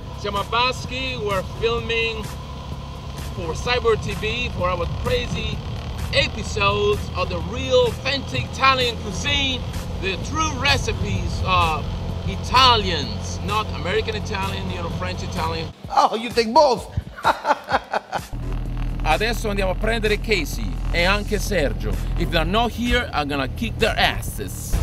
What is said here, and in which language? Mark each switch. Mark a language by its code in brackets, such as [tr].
[it] Siamo a Bascony, [en] we're filming for Cyber TV for our crazy episodes of the real authentic Italian cuisine, the true recipes of Italians, not American Italian, you know, French Italian. Oh, you think both? [it] Adesso andiamo a prendere Casey e anche Sergio. [en] If they're not here, I'm gonna kick their asses.